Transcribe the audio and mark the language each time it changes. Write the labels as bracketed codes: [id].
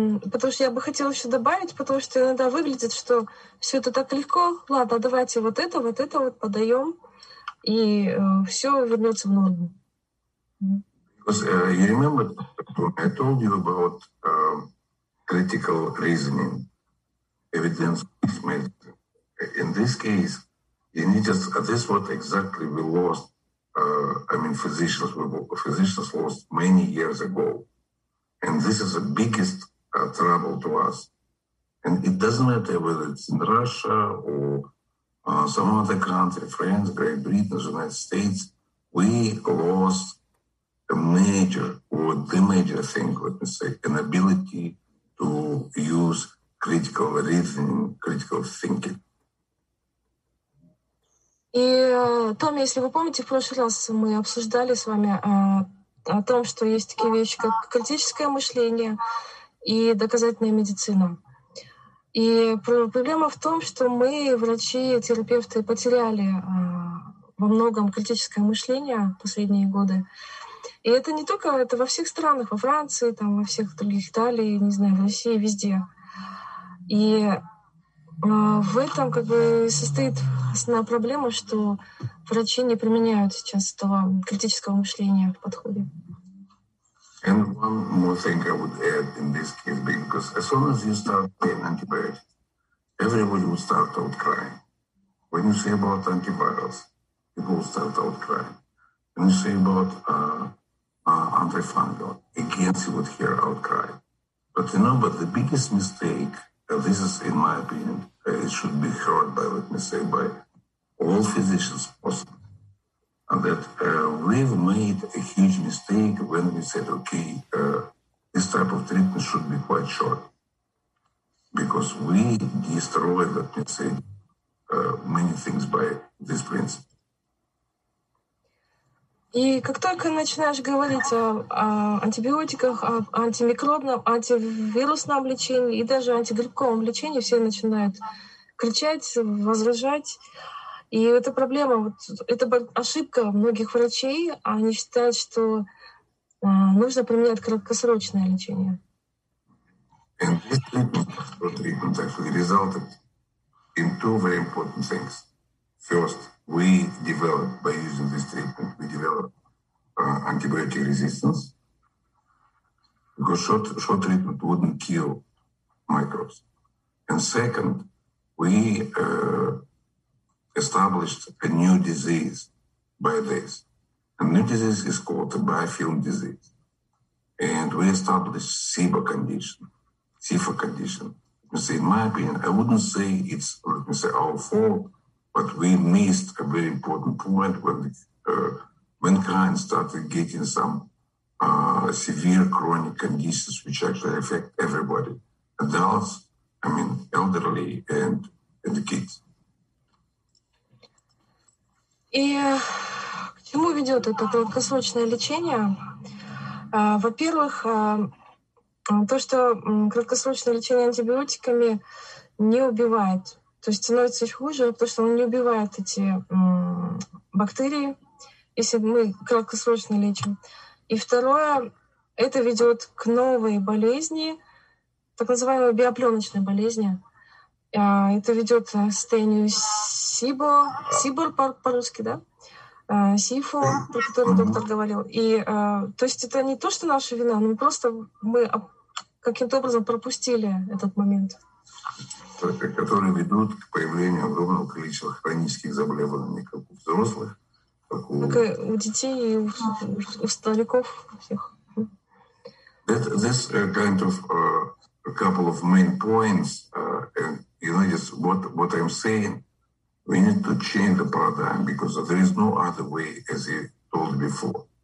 [ru] Потому что я бы хотела еще добавить, потому что иногда выглядит, что все это так легко. Ладно, давайте вот это вот подаем. И все вернется в норму. [en] Because, you remember, I told you about critical reasoning, evidence-based medicine. In this case, you need just, this is what exactly we lost, I mean, physicians lost many years ago. And this is the biggest trouble to us. And it doesn't matter whether it's in Russia or some other country, France, Great Britain, the United States, we lost a major, or the major thing, let me say, an ability to use critical reasoning, critical thinking. [ru] И, Том, если вы помните, в прошлый раз мы обсуждали с вами о том, что есть такие вещи, как критическое мышление и доказательная медицина. И проблема в том, что мы, врачи, терапевты, потеряли во многом критическое мышление в последние годы. И это не только, это во всех странах, во Франции, там, во всех других, Италии, не знаю, в России, везде. И в этом как бы состоит основная проблема, что врачи не применяют сейчас этого критического мышления в подходе. [en] And one more thing I would add in this case, because as soon as you start taking antibiotics, everybody will start out crying. When you say about antivirals, people will start out crying. When you say about antifungal, again, you would hear out cry. But you know, but the biggest mistake, this is in my opinion, it should be heard by, let me say, by all physicians possible. And that we've made a huge mistake when we said, okay, this type of treatment should be quite short. Because we destroyed, let me say, many things by this principle. [ru] И как только начинаешь говорить о антибиотиках, о антимикробном, антивирусном лечении и даже антигрибковом лечении, все начинают кричать, возражать. И эта проблема, вот это ошибка многих врачей, они считают, что нужно применять краткосрочное лечение. [en] And this treatment actually resulted in two very important things. First, we developed, by using this treatment, we developed antibiotic resistance. Because short treatment wouldn't kill microbes. And second, we established a new disease by this. A new disease is called a biofilm disease. And we established SIBO condition, SIFO condition. You see, in my opinion, I wouldn't say it's, let me say, our fault, but we missed a very important point when mankind started getting some severe chronic conditions which actually affect everybody, adults, I mean, elderly and the kids. [ru] И к чему ведет это долгосрочное лечение? Во-первых, то, что краткосрочное лечение антибиотиками не убивает, то есть становится еще хуже, потому что он не убивает эти бактерии, если мы краткосрочно лечим. И второе, это ведет к новой болезни, так называемой биопленочной болезни. Это ведет к состоянию СИБО, СИБОР по-русски, да? СИФО, про который доктор говорил. И то есть это не то, что наша вина, но просто мы каким-то образом пропустили этот момент. Которые ведут к появлению огромного количества хронических заболеваний, как у взрослых, так и у детей, и у стариков, у всех. [en] This kind of a couple of main points, and you notice what I'm saying, we need to change the paradigm, because there is no other way, as you told before.